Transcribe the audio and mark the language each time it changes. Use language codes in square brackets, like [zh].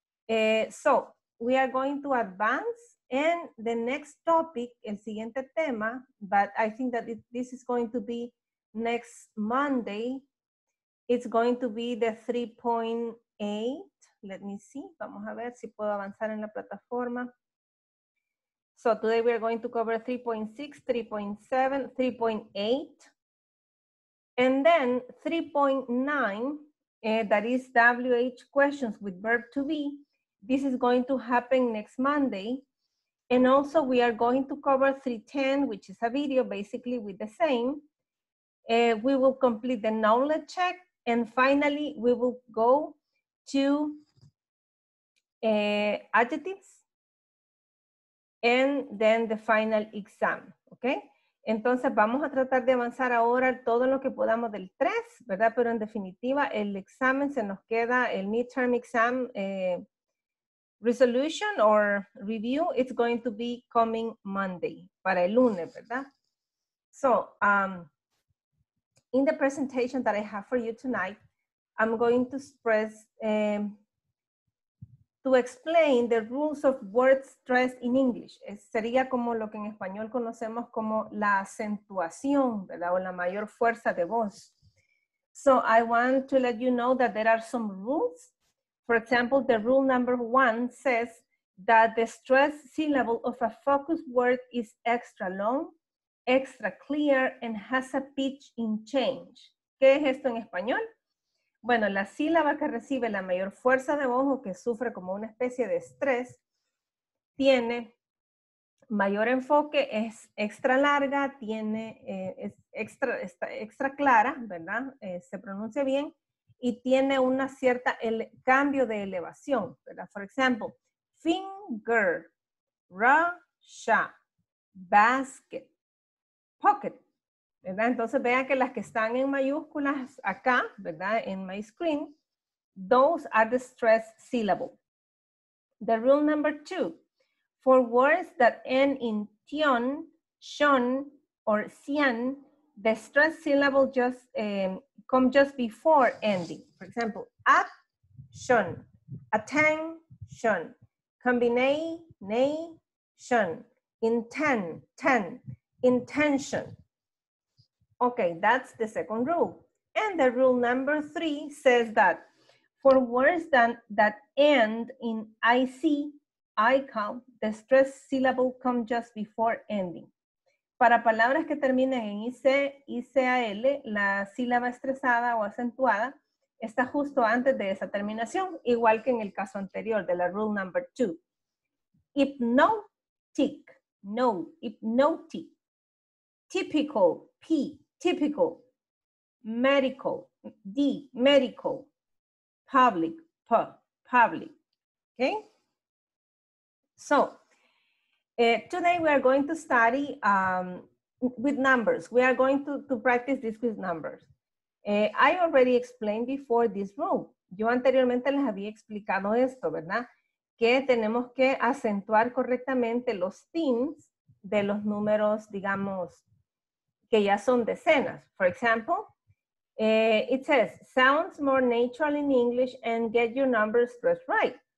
[en] So, we are going to advance and the next topic, [es] el siguiente tema, [en] but I think that this is going to be next Monday. It's going to be the 3.8. Let me see. [es] Vamos a ver si puedo avanzar en la plataforma. [en] So today we are going to cover 3.6, 3.7, 3.8. And then 3.9, that is WH questions with verb to be. This is going to happen next Monday. And also we are going to cover 3.10, which is a video basically with the same. We will complete the knowledge check. And finally, we will go to adjectives and then the final exam, okay? [es] Entonces, vamos a tratar de avanzar ahora todo lo que podamos del 3, ¿verdad? Pero en definitiva, el examen se nos queda, el [en] midterm exam resolution or review, it's going to be coming Monday, [es] para el lunes, ¿verdad? [en] So, in the presentation that I have for you tonight, I'm going to express, to explain the rules of word stress in English. [es] Es, sería como lo que en español conocemos como la acentuación, ¿verdad? O la mayor fuerza de voz. [en] So I want to let you know that there are some rules. For example, the rule number one says that the stress syllable of a focused word is extra long, extra clear, and has a pitch in change. [es] ¿Qué es esto en español? Bueno, la sílaba que recibe la mayor fuerza de voz o que sufre como una especie de estrés, tiene mayor enfoque, es extra larga, tiene, es extra, está extra clara, ¿verdad? Se pronuncia bien y tiene una cierta cambio de elevación, ¿verdad? [en] For example, finger, rasha, basket, pocket, ¿verdad? [es] Entonces vean que las que están en mayúsculas acá, ¿verdad? [en] En my screen, those are the stress syllable. The rule number two, for words that end in tion, shon, or cian, the stress syllable just come just before ending. For example, at shon, attend shon, combine nay shon, intend ten. Intention. Okay, that's the second rule. And the rule number three says that for words that end in IC, ICAL, the stress syllable comes just before ending. [es] Para palabras que terminen en IC, ICAL, la sílaba estresada o acentuada está justo antes de esa terminación, igual que en el caso anterior de la [en] rule number two. Hypnotic, no, hypnotic. Typical, P, typical, medical, D, medical, public, P, public, okay? So, today we are going to study with numbers. We are going to practice this with numbers. I already explained before this rule. [es] Yo anteriormente les había explicado esto, ¿verdad? Que tenemos que acentuar correctamente los teens de los números, digamos, que ya son decenas. [en] For example, it says, sounds more natural in English and get your numbers stressed right.